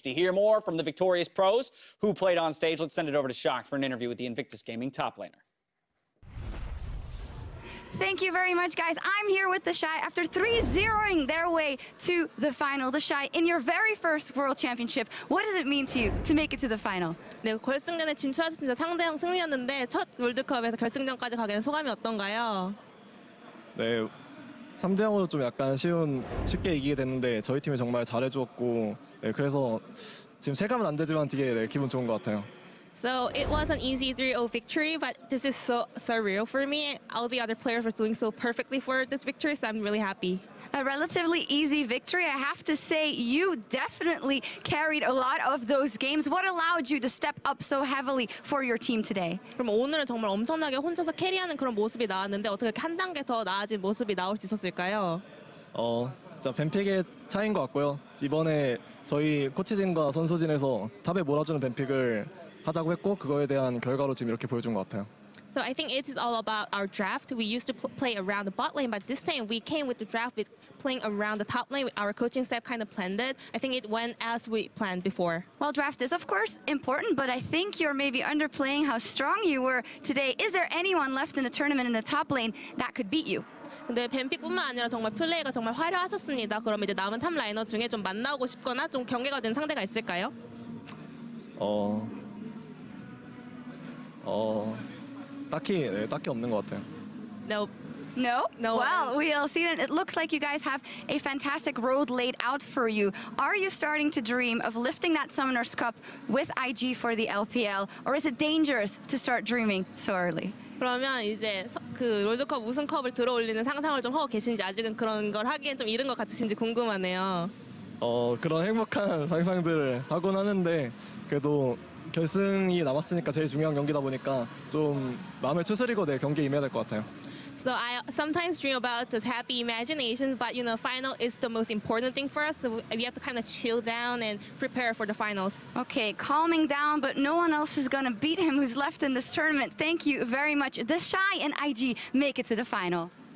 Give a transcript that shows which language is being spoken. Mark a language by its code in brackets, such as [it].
[en] To hear more from the victorious pros who played on stage, let's send it over to Shock for an interview with the Invictus Gaming top laner. Thank you very much, guys. I'm here with the Shy after 3-0-ing their way to the final. The Shy, in your very first World Championship, what does it mean to you to make it to the final? [ko] 네, 결승전에 진출하셨습니다. 상대형 승리였는데 첫 월드컵에서 결승전까지 가기에는 소감이 어떤가요? 네, 3대형으로 좀 약간 쉽게 이기게 됐는데 저희 팀이 정말 잘해주었고 네, 그래서 지금 체감은 안 되지만 되게 네, 기분 좋은 것 같아요. [en] So it was an easy 3-0 victory, but this is so surreal for me. All the other players were doing so perfectly for this victory, so I'm really happy. A relatively easy victory. I have to say, you definitely carried a lot of those games. What allowed you to step up so heavily for your team today? [ko] 그럼 오늘은 정말 엄청나게 혼자서 캐리하는 그런 모습이 나왔는데 어떻게 한 단계 더 나아진 모습이 나올 수 있었을까요? 뱀픽의 차이인 것 같고요. 이번에 저희 코치진과 선수진에서 탑에 몰아주는 뱀픽을 하자고 했고 그거에 대한 결과로 지금 이렇게 보여준 것 같아요. [en] So I think it is all about our draft. We used to play around the bot lane, but this time we came with the draft with playing around the top lane. Our coaching staff kind of planned it. I think it went as we planned before. Well, draft is of course important, but I think you're maybe underplaying how strong you were today. Is there anyone left in the tournament in the top lane that could beat you? [ko] 근데 뱀픽뿐만 아니라 정말 플레이가 정말 화려하셨습니다. 그럼 이제 남은 탑 라이너 중에 좀 만나고 싶거나 좀 경계가 된 상대가 있을까요? 딱히 없는 것 같아요. [en] Nope. No? No. Well, we'll see. It looks like you guys have a fantastic road laid out for you. Are you starting to dream of lifting that Summoner's Cup with IG for the LPL? Or is it dangerous to start dreaming so early? [ko] 그러면 이제 그 롤드컵 우승컵을 들어올리는 상상을 좀 하고 계신지 아직은 그런 걸 하기엔 좀 이른 것 같으신지 궁금하네요. 그런 행복한 상상들을 하곤 하는데 그래도 결승이 남았으니까 제일 중요한 경기다 보니까 좀 마음에 추스리고 내 경기에 임해야 될 것 같아요. [en] So I sometimes dream about those happy imaginations, but you know, final is the most important thing for us. So we have to kind of chill down and prepare for the finals. Okay, calming down, but no one else is going to beat him who's left in this tournament. Thank you very much. The Shy and IG make it to the final.